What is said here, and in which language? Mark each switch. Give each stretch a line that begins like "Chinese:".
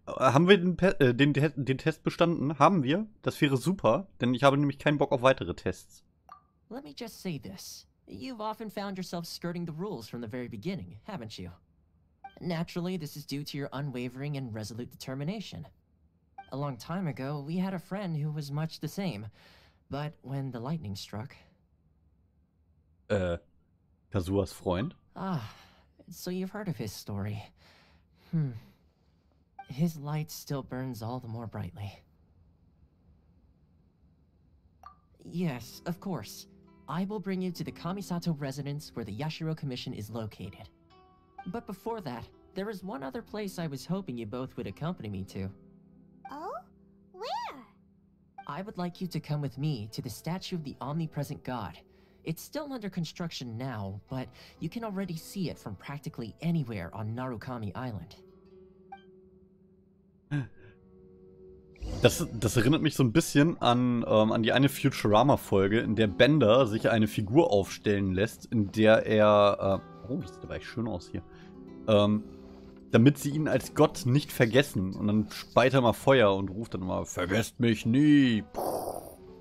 German: Haben wir den Test bestanden? Haben wir? Das wäre super, denn ich habe nämlich keinen Bock auf weitere Tests.
English: Let me just say this. You've often found yourself skirting the rules from the very beginning, haven't you? Naturally, this is due to your unwavering and resolute determination. A long time ago, we had a friend who was much the same. But when the lightning struck...
German: Kazuas Freund?
English: Ah, so you've heard of his story. His light still burns all the more brightly. Yes, of course. I will bring you to the Kamisato residence where the Yashiro Commission is located. But before that, there is one other place I was hoping you both would accompany me to. Oh? Where? I would like you to come with me to the Statue of the Omnipresent God. It's still under construction now, but you can already see it from practically anywhere on Narukami Island.
German: Das erinnert mich so ein bisschen an die eine Futurama-Folge, in der Bender sich eine Figur aufstellen lässt, in der er... oh, das sieht aber echt schön aus hier. Damit sie ihn als Gott nicht vergessen. Und dann speit er mal Feuer und ruft dann mal: Vergesst mich nie! Puh.